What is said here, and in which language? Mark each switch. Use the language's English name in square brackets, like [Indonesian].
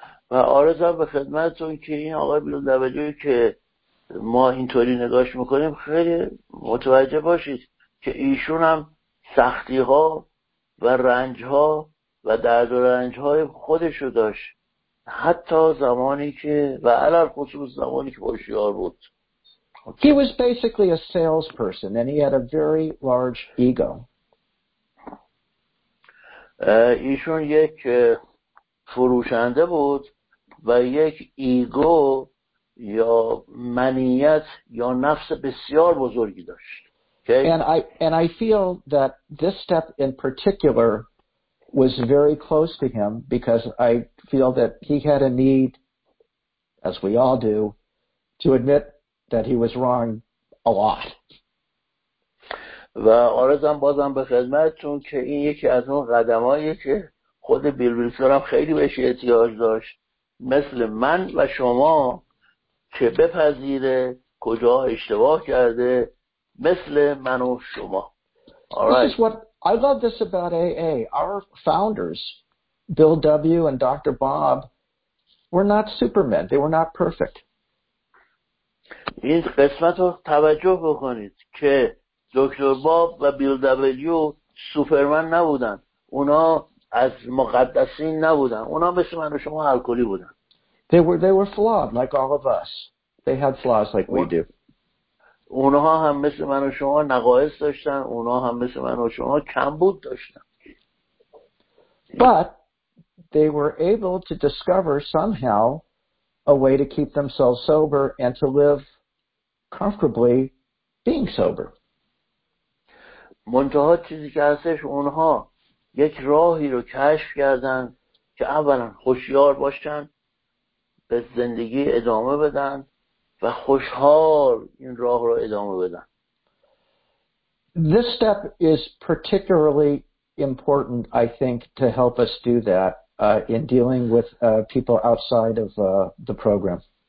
[Persian] و آرزم به خدمتتون که این آقای بیل دبلیو که ما اینطوری نگاش میکنیم خیلی متوجه باشید که ایشون هم سختی ها و رنج ها و درد و رنج های خودشو داشت حتی زمانی که و علل خصوص زمانی که هوشیار بود. [English] He was basically a salesperson and he had a very large ego. [Persian] ایشون یک فروشنده بود و یک ایگو یا منیت یا نفس بسیار بزرگی داشت. [English] Okay? And I feel that this step in particular was very close to him because I feel that he had a need, as we all do, to admit that he was wrong a lot. [Persian] و آرزم بازم به خدمتتون که این یکی از اون قدمایی که خود بیل ویلسون هم خیلی بهش احتیاج داشت مثل من و شما که بپذیره کجا اشتباه کرده مثل من و شما. [English] This is what I love this about AA. Our founders, Bill W. and Dr. Bob, were not supermen. They were not perfect. [Persian] این قسمت رو توجه بکنید که دکتر باب و بیل دبلیو سوپرمن نبودن. اونا از مقدسین نبودن. اونا مثل من و شما الکلی بودن. [English] They were flawed like all of us. They had flaws like we do. [Persian] اونها هم مثل من و شما نقایص داشتن. اونها هم مثل من و شما کمبود داشتن. [English] But they were able to discover somehow a way to keep themselves sober and to live comfortably being sober. [Persian] منتها چیزی که هستش اونها یک راهی رو کشف کردن که اولا هوشیار باشن به زندگی ادامه بدن و خوشحال این راه رو ادامه بدن. [English] This step is particularly important, I think, to help us do that in dealing with people outside of the program.